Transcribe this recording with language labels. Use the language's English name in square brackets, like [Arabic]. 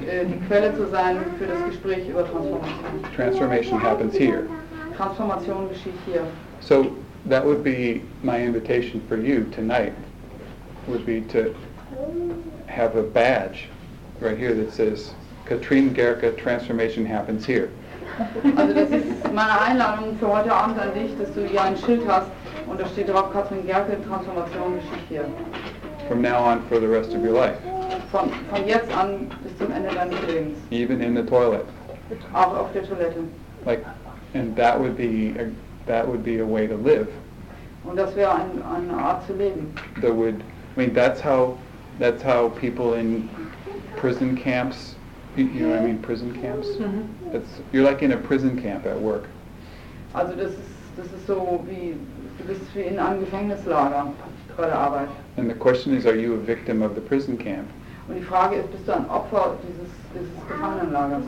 [German] Die Quelle zu sein für das Gespräch über Transformation. [English] Transformation happens here. [German] Transformation geschieht hier. [English] So that would be my invitation for you tonight, would be to have a badge right here that says, Katrin Gerke, transformation happens here. [German] Also das ist meine Einladung für heute Abend an dich, dass du hier ein Schild hast und da steht drauf, Katrin Gerke, Transformation geschieht hier. [English] From now on for the rest of your life. [German] Von jetzt an bis zum Ende deines Lebens. [English] Even in the toilet. [German] Auch auf der Toilette. [English] Like, and that would be a way to live. [German] Und das wäre eine Art zu leben. [English] That would, I mean, that's how people in prison camps, you know what I mean, prison camps? Mm-hmm. It's, you're like in a prison camp at work. [German] Also das ist so wie, du bist wie in einem Gefängnislager. [English] And the question is, are you a victim of the prison camp? [German] Und die Frage ist, bist du ein Opfer dieses Gefangenenlagers?